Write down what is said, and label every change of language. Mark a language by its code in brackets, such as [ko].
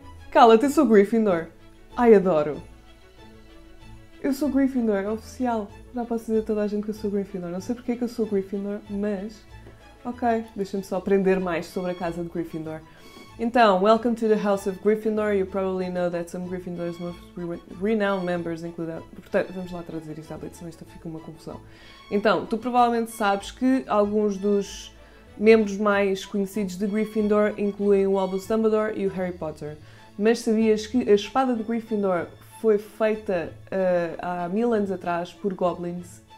[pt] Cala-te, eu sou Gryffindor. Ai, adoro. Eu sou Gryffindor, é oficial. Já posso dizer a toda a gente que eu sou Gryffindor. Não sei porque é que eu sou Gryffindor, mas. Ok, deixa-me só aprender mais sobre a casa de Gryffindor. Então, [en] welcome to the House of Gryffindor. You probably know that some Gryffindor's most renowned members include. [pt] Portanto, vamos lá traduzir isto à blitz, senão isto fica uma confusão. Então, tu provavelmente sabes que alguns dos membros mais conhecidos de Gryffindor incluem o Albus Dumbledore e o Harry Potter. Mas sabias que a espada de Gryffindor foi feita há mil anos atrás por goblins?